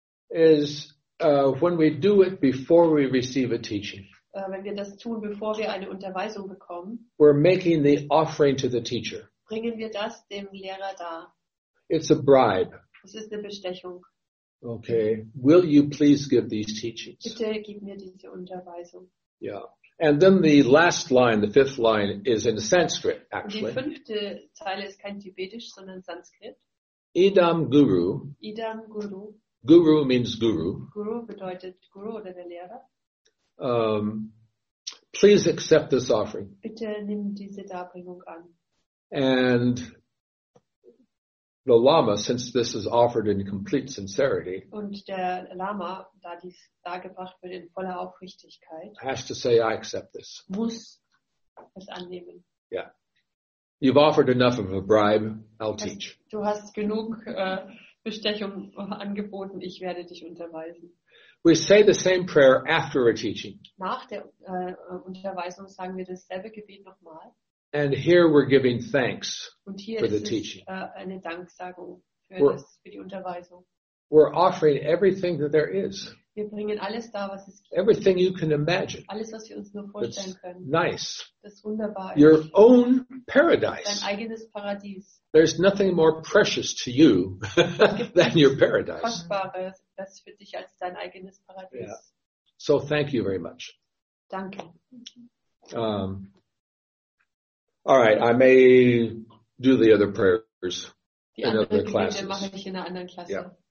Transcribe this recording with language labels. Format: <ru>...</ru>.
<en>is when we do it before we receive a teaching.</en> <de>Wenn wir das tun, bevor wir eine Unterweisung bekommen,</de> <en>we're making the offering to the teacher.</en> <de>Bringen wir das dem Lehrer dar.</de> <en>It's a bribe.</en> <de>Es ist eine Bestechung.</de> <en>Okay, will you please give these teachings?</en> <de>Bitte gib mir diese Unterweisung.</de> <en>Yeah, and then the last line, the 5th line, is in Sanskrit, actually.</en> <de>Die 5. Zeile ist kein Tibetisch, sondern Sanskrit.</de> <en>Idam Guru.</en> <de>Idam Guru.</de> <en>Guru means Guru.</en> <de>Guru bedeutet Guru oder der Lehrer.</de> <en>Please accept this offering.</en> <de>Bitte nimm diese Darbringung an.</de> <en>And the Lama, since this is offered in complete sincerity,</en> <de>und der Lama, da dies dargebracht wird in voller Aufrichtigkeit,</de> <en>has to say, I accept this.</en> <de>Muss es annehmen.</de> <en>Yeah. You've offered enough of a bribe, I'll teach.</en> <de>Du hast genug Bestechung angeboten, ich werde dich unterweisen.</de> <en>We say the same prayer after a teaching.</en> <de>Nach der Unterweisung sagen wir dasselbe Gebet nochmal.</de> <en>And here we're giving thanks for the teaching.</en> <de>Und hier ist eine Danksagung für die Unterweisung.</de> <en>We're offering everything that there is.</en> <de>Wir bringen alles da, was es gibt.</de> <en>Everything you can imagine.</en> <de>Alles, was wir uns nur vorstellen können.</de> <en>Nice.</en> <de>Das wunderbar.</de> <en>Your own paradise.</en> <de>Dein eigenes Paradies.</de> <en>There's nothing more precious to you than your paradise.</en> <de>Kostbares, das für dich als dein eigenes Paradies.</de> <en>Yeah. So thank you very much.</en> <de>Danke.</de> <en>All right, I may do the other prayers</en> <de>die</de> <en>in other classes.</en> <de>Die mache ich in einer anderen Klasse.</de> <en>Yeah.</en>